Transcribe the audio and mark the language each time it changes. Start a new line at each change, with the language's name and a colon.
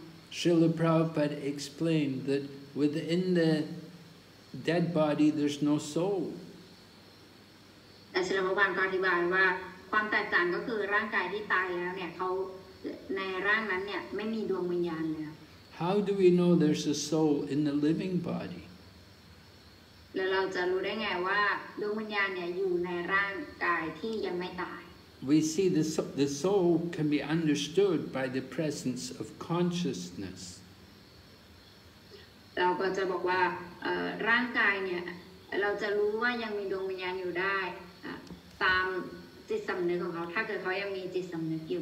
English: Shrila Prabhupada explained that within the dead body there's no soul.
Thai: Srila Prabhupada ก็อธิบายว่าความแตกต่างก็คือร่างกายที่ตายแล้วเนี่ยเขาในร่างนั้นเนี่ยไม่มีดวงวิญญาณแล้ว
English: How do we know there's a soul in the living body?
Thai: แล้วเราจะรู้ได้ไงว่าดวงวิญญาณเนี่ยอยู่ในร่างกายที่ยังไม่ตาย
English: We see the soul can be understood by the presence of consciousness.
Thai: เราก็จะบอกว่าร่างกายเนี่ยเราจะรู้ว่ายังมีดวงวิญญาณอยู่ได้ตามจิตสำนึกของเขาถ้าเกิดเขายังมีจิตสำนึกอยู